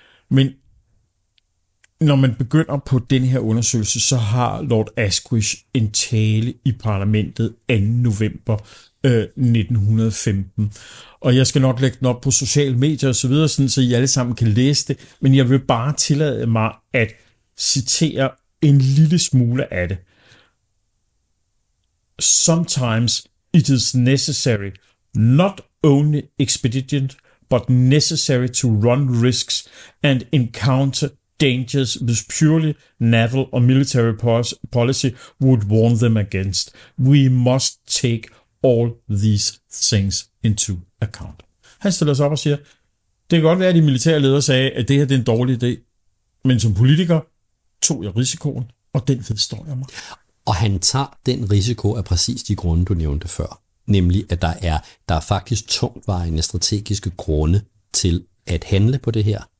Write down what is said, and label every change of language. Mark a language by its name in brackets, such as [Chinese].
[Danish] Men når man begynder på denne her undersøgelse, så har Lord Asquith en tale i parlamentet 2. november 1915. Og jeg skal nok lægge den op på sociale medier og så videre, sådan så I alle sammen kan læse det, men jeg vil bare tillade mig at citere en lille smule af det. [English] Sometimes it is necessary, not only expedient, but necessary to run risks and encounter dangers which purely naval or military policy would warn them against. We must take all these things into account. [Danish] Han stiller sig op og siger, det kan godt være, at de militære ledere sagde, at det her er en dårlig idé, men som politiker tog jeg risikoen, og den vedstår jeg mig. Og han tager den risiko af præcis de grunde, du nævnte før. Nemlig, at der er faktisk tungtvejende strategiske grunde til at handle på det her.